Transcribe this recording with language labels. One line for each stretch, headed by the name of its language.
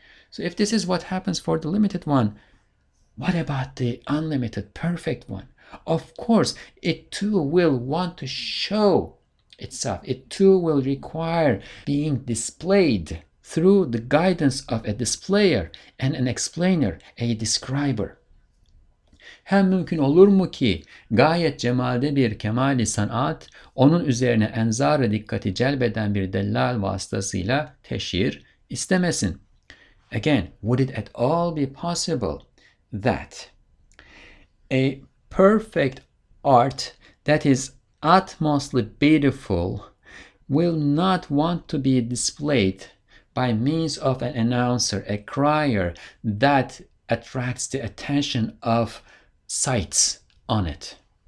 English: So if this is what happens for the limited one, what about the unlimited perfect one? Of course, it too will want to show itself. It too will require being displayed through the guidance of a displayer and an explainer, a describer.
Turkish: Hem mümkün olur mu ki gayet cemalde bir kemali sanat onun üzerine enzar-ı dikkati celbeden bir dellal vasıtasıyla teşhir istemesin?
English: Again, would it at all be possible that a perfect art that is utmostly beautiful will not want to be displayed by means of an announcer, a crier that attracts the attention of sights on it?